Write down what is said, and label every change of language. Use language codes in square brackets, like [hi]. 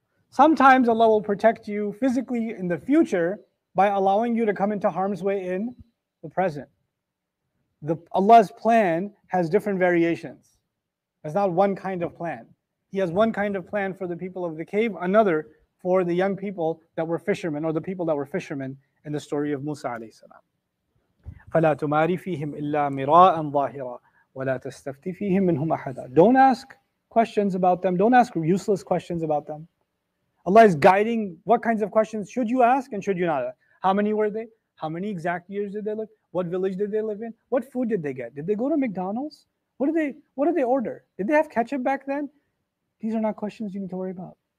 [en] Sometimes Allah will protect you physically in the future by allowing you to come into harm's way in the present. Allah's plan has different variations. It's not one kind of plan. He has one kind of plan for the people of the cave, another for the young people that were fishermen or the people that were fishermen in the story of Musa alayhi salam. [ar] فَلَا تُمَارِ فِيهِمْ إِلَّا مِرَاءً ظَاهِرًا وَلَا تَسْتَفْتِ فِيهِمْ مِنْهُمْ أَحَدًا [en] Don't ask questions about them. Don't ask useless questions about them. Allah is guiding what kinds of questions should you ask and should you not ask. How many were they? How many exact years did they live? What village did they live in? What food did they get? Did they go to McDonald's? What did they order? Did they have ketchup back then? These are not questions you need to worry about.